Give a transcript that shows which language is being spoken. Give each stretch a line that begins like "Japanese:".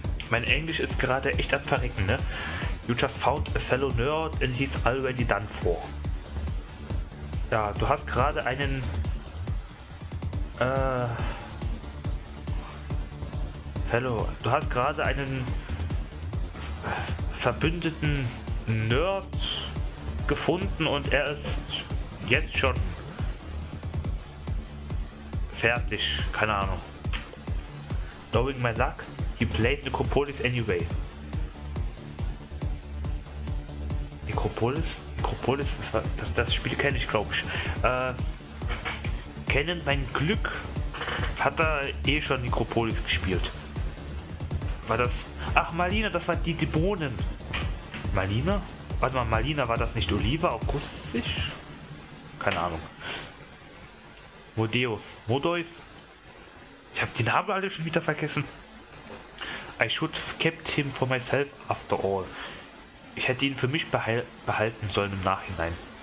German: Mein Englisch ist gerade echt am Verrecken, ne?
English: You just found a fellow nerd and he's already done for.
German: Ja, du hast gerade einen... Du hast gerade einen... verbündeten Nerd gefunden und er ist jetzt schon fertig, keine Ahnung.
English: Knowing my luck, he played Necropolis anyway.
German: Necropolis? Necropolis, das Spiel kenne ich, glaube ich. Kennen mein Glück hat er eh schon Necropolis gespielt. War das... Ach, Malina, das war die Dämonen. Malina? Warte mal, Malina, war das nicht Oliva Augustisch? Keine Ahnung. Modeus. Modeus? Ich habe die Namen alle schon wieder vergessen.
English: I should have kept him for myself after all.
German: Ich hätte ihn für mich behalten sollen im Nachhinein.